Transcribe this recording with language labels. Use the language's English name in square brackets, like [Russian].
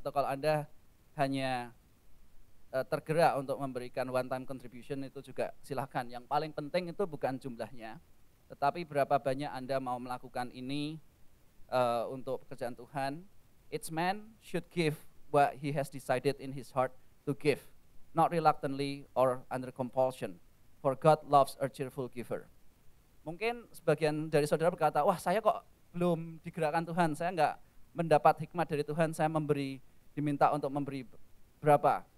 [Indonesian] Atau kalau Anda hanya tergerak untuk memberikan [English] one time contribution [Indonesian] itu juga silahkan. Yang paling penting itu bukan jumlahnya, tetapi berapa banyak Anda mau melakukan ini untuk pekerjaan Tuhan. [English] Each man should give what he has decided in his heart to give, not reluctantly or under compulsion, for God loves a cheerful giver. [Indonesian] Mungkin sebagian dari saudara berkata, wah saya kok belum digerakkan Tuhan, saya enggak mendapat hikmat dari Tuhan, saya diminta untuk memberi berapa.